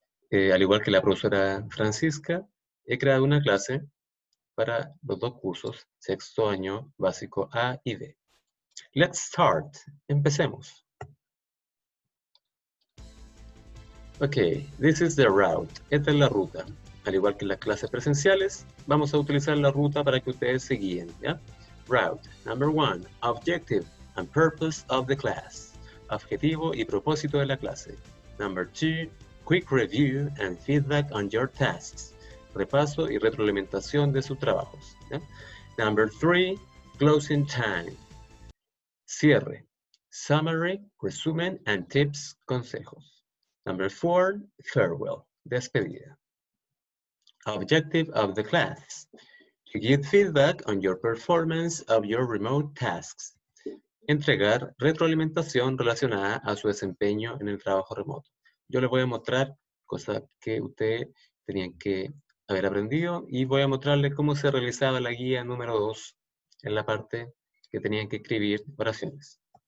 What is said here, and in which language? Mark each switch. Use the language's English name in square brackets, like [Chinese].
[Spanish] Al igual que la profesora Francisca, he creado una clase para los dos cursos, sexto año básico A y B. [English] Let's start. [Spanish] Empecemos. [English] Okay, this is the route. [Spanish] Esta es la ruta. Al igual que en las clases presenciales, vamos a utilizar la ruta para que ustedes se guíen, ¿ya? [English] Route. Number one, objective and purpose of the class. [Spanish] Objetivo y propósito de la clase. [English] Number two, quick review and feedback on your tasks. [Spanish] Repaso y retroalimentación de sus trabajos, ¿ya? [English] Number three, closing time. [Spanish] Cierre. [English] Summary, [Spanish] resumen [English] and tips, [Spanish] consejos. [English] Number four, farewell, [Spanish] despedida. [English] Objective of the class, to give feedback on your performance of your remote tasks. [Spanish] Entregar retroalimentación relacionada a su desempeño en el trabajo remoto. Yo les voy a mostrar cosas que ustedes tenían que haber aprendido y voy a mostrarles cómo se realizaba la guía número 2 en la parte que tenían que escribir oraciones.